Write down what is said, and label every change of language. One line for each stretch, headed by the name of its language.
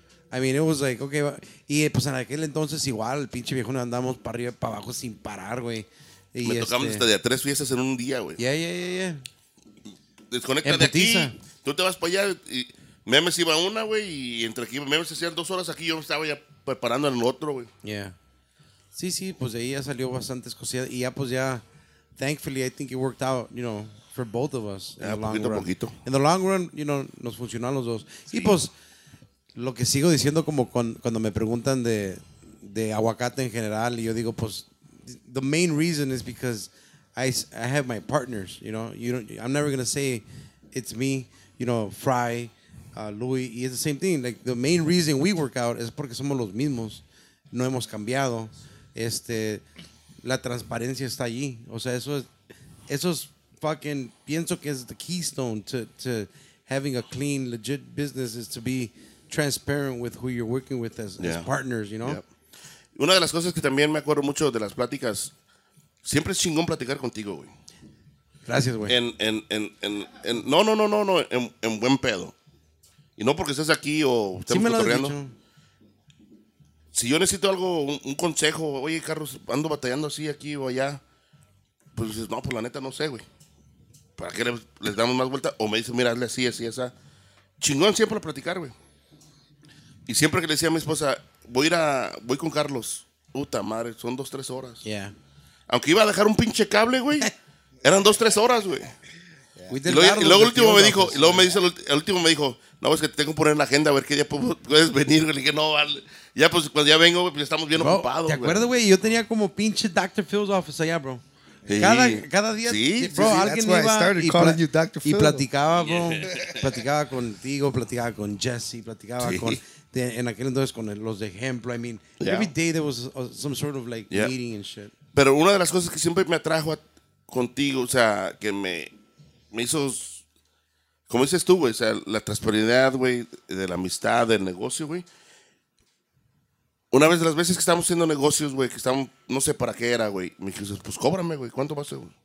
Spanish: Sí.
English: I mean, it was like, okay,
Spanish: y pues en aquel entonces igual, el pinche viejo andamos para arriba y para abajo sin parar, güey. Me tocamos hasta de a 3 fiestas en un día, güey.
English: Yeah.
Spanish: Desconecta de aquí, tú te vas para allá y... Memes iba una, güey, y entre aquí, Memes hacían 2 horas aquí, yo estaba ya preparando el otro, güey.
English: Yeah.
Spanish: Sí, pues de ahí ya salió bastante escocida. Y ya, pues ya,
English: thankfully, I think it worked out, you know, for both of us. Yeah, in the poquito, long run.
Spanish: Poquito.
English: In the long run, you know,
Spanish: nos funcionó a los dos. Sí. Y pues, lo que sigo diciendo como cuando me preguntan de Aguacate en general, y yo digo, pues,
English: the main reason is because I have my partners, you know. I'm never going to say it's me. you know, Fry, Louis, y it's the same thing. Like, the main reason we work out
Spanish: es porque somos los mismos, no hemos cambiado. Este, la transparencia está allí. O sea, eso es fucking, pienso que es
English: the keystone to having a clean, legit business, is to be transparent with who you're working with as, yeah, as partners, you know? Yeah.
Spanish: Una de las cosas que también me acuerdo mucho de las pláticas, siempre es chingón platicar contigo, güey. Gracias, güey. En buen pedo. Y no porque estés aquí o estemos, sí, cotorreando. Si yo necesito algo, un consejo, oye, Carlos, ando batallando así aquí o allá, pues dices, no, pues la neta no sé, güey. ¿Para qué les damos más vuelta? O me dicen, mira, hazle así, así, esa. Chingón siempre a platicar, güey. Y siempre que le decía a mi esposa, voy con Carlos. Puta madre, son 2-3 horas.
English: Yeah.
Spanish: Aunque iba a dejar un pinche cable, güey, eran 2-3 horas, güey. Y luego el último me dijo, no, es que te tengo que poner en la agenda a ver qué día puedes venir. Le dije, no, vale. Ya, pues, cuando ya vengo, pues, estamos bien, bro, ocupados. ¿Te acuerdas, güey? Yo tenía como pinche Dr. Phil's office allá, bro. Sí. Cada día, sí, bro, sí, alguien iba y platicaba, bro. Yeah. Platicaba contigo, platicaba con Jesse, platicaba, sí, con, en aquel entonces, con los de ejemplo.
English: I mean, yeah, every day there was some sort of like, yeah, meeting and shit.
Spanish: Pero una de las cosas que siempre me atrajo contigo, o sea, que me hizo, como dices tú, güey, o sea, la transparencia, güey, de la amistad, del negocio, güey. Una vez de las veces que estábamos haciendo negocios, güey, que estábamos, no sé para qué era, güey, me dijiste, pues cóbrame, güey, ¿cuánto va a ser?